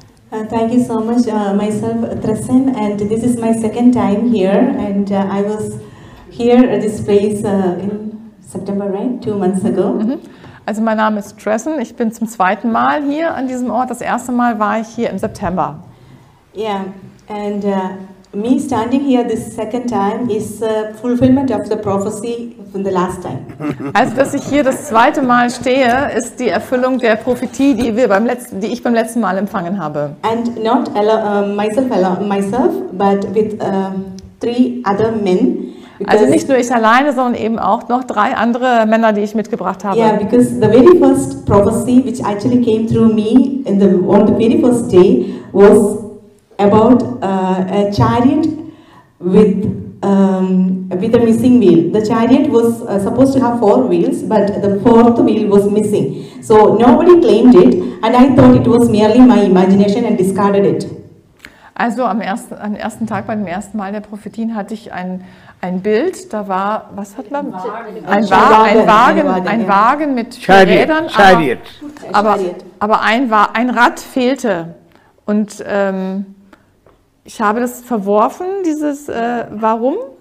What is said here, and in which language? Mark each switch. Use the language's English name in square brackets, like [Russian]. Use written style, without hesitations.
[English] Thank you so much, myself, Tresen, and this is my second time here, and I was here at this place in September, right, 2 months ago. [German] Also mein Name ist Tresen, ich bin zum zweiten Mal hier an diesem Ort, das erste Mal war ich hier im September. [English] Yeah, and me standing here this second time is a fulfillment of the prophecy from the last time. [German] Also dass ich hier das zweite Mal stehe, ist die Erfüllung der Prophetie, die ich beim letzten Mal empfangen habe. [English] And not myself, but with three other men. [German] Also nicht nur ich alleine, sondern eben auch noch drei andere Männer, die ich mitgebracht habe. [English] Yeah, because the very first prophecy which actually came through me on the very first day was about a chariot with a missing wheel. The chariot was supposed to have 4 wheels, but the 4th wheel was missing. So nobody claimed it, and I thought it was merely my imagination and discarded it. [German] Also am ersten Tag, beim ersten Mal der Prophetien, hatte ich ein Bild, da war, was hat man? Ein Wagen mit Rädern, aber ein Rad fehlte. Und ich habe das verworfen, dieses warum?